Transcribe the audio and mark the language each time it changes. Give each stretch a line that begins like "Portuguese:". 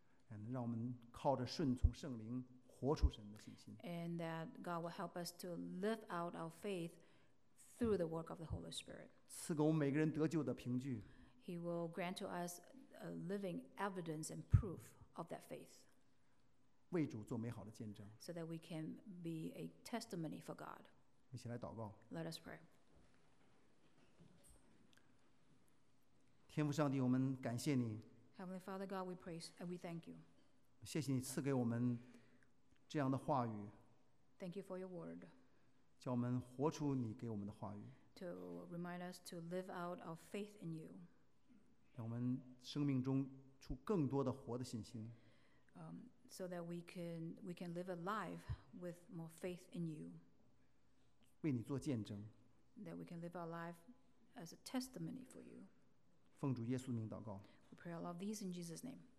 English: And
Chinese: 让我们靠着顺从圣灵活出神的信心。
English: And that God will help us to live out our faith through the work of the Holy Spirit.
Chinese: 赐给我们每个人得救的凭据。
English: He will grant to us a living evidence and proof of that faith.
Chinese: 为主做美好的见证。
English: So that we can be a testimony for God.
Chinese: 一起来祷告。
English: Let us pray.
Chinese: 天父上帝，我们感谢你。
English: Heavenly Father God, we praise and we thank you.
Chinese: 谢谢你赐给我们这样的话语。
English: Thank you for your word.
Chinese: 叫我们活出你给我们的话语。
English: To remind us to live out our faith in you.
Chinese: 让我们生命中出更多的活的信心。
English: So that we can live a life with more faith in you.
Chinese: 为你做见证。
English: That we can live our life as a testimony for you.
Chinese: 奉主耶稣名祷告。
English: We pray all of these in Jesus' name.